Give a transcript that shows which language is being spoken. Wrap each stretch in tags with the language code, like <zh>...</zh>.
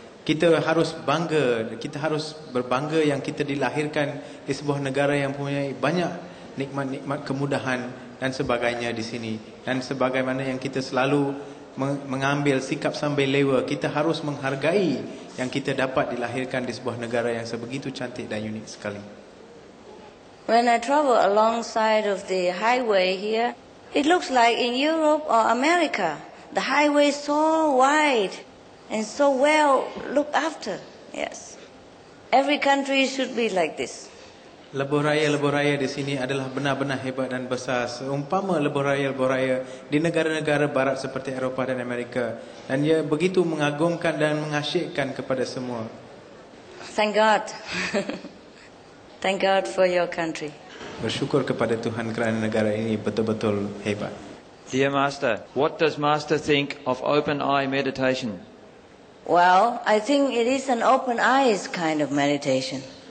<ms>Kita harus bangga, kita harus berbangga yang kita dilahirkan di sebuah negara yang mempunyai banyak nikmat-nikmat kemudahan dan sebagainya di sini. Dan sebagaimana yang kita selalu mengambil sikap sambil lewa, kita harus menghargai yang kita dapat dilahirkan di sebuah negara yang sebegitu cantik dan unik sekali.</ms> <en>When I travel alongside of the highway here, it looks like in Europe or America, the highway is so wide and so well looked after. Yes. Every country should be like this.</en> <ms>Lebuh raya-lebuh raya di sini adalah benar-benar hebat dan besar. Seumpama lebuh raya di negara-negara barat seperti Eropah dan Amerika. Dan ia begitu mengagumkan dan mengasyikkan kepada semua.</ms> <en>Thank God. Thank God for your country.</en> <ms>Bersyukur kepada Tuhan kerana negara ini betul-betul hebat.</ms> <en>Dear Master, what does Master think of open eye meditation? Well, I think it is an open eyes kind of meditation.</en>